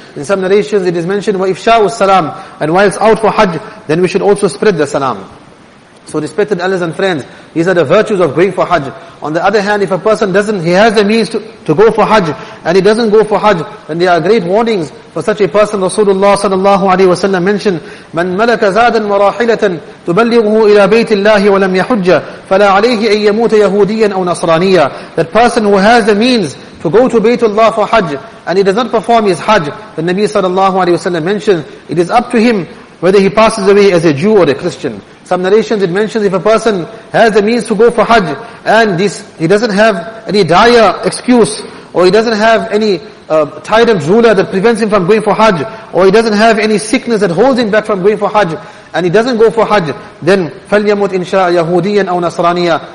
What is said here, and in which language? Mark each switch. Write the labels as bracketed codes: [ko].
[en] In some narrations it is mentioned, [ar] وَإِفْشَاءُ السَّلَامُ, [en] and whilst out for hajj, then we should also spread the salam. So respected elders and friends, these are the virtues of going for hajj. On the other hand, if a person doesn't, he has the means to go for hajj, and he doesn't go for hajj, then there are great warnings for such a person. Rasulullah sallallahu alayhi wa sallam mentioned, [ar] مَنْ مَلَكَ زَادًا وَرَاحِلَةً تُبَلِّغُهُ إِلَى بَيْتِ اللَّهِ وَلَمْ يَحُجَّ فَلَا عَلَيْهِ أَن يَمُوتَ يَهُودِيًّا أَوْ نَصْرَانِيًّا. [en] That person who has the means to go to Baytullah for hajj, and he does not perform his hajj, the Nabi sallallahu alayhi wa sallam mentioned, it is up to him whether he passes away as a Jew or a Christian. Some narrations it mentions, if a person has the means to go for hajj, and this, he doesn't have any dire excuse, or he doesn't have any tyrant ruler that prevents him from going for hajj, or he doesn't have any sickness that holds him back from going for hajj, and he doesn't go for hajj, then [ar] فَلْيَمُوتْ إِنْ شَاءَ يَهُودِيًا أَوْ نَصْرَانِيًا.